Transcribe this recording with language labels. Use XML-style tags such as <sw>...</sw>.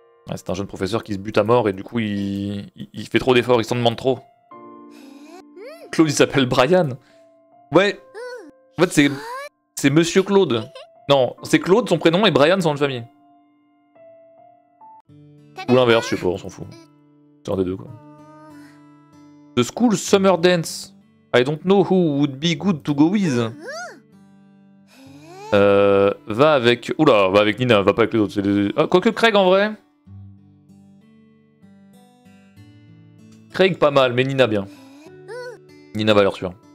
<fr>Ah, c'est un jeune professeur qui se bute à mort et du coup il fait trop d'efforts, il s'en demande trop. Claude, il s'appelle Brian. Ouais. En fait, c'est Monsieur Claude. Non, c'est Claude, son prénom, et Brian, son nom de famille. Ou l'inverse, je sais pas, on s'en fout. C'est un des deux, quoi.</fr> <en>The school summer dance. I don't know who would be good to go with.</en> <fr>Va avec... Oula, va avec Nina, va pas avec les autres. Quoique Craig, en vrai. Craig, pas mal, mais Nina, bien. Nina, valeur sûre.</fr>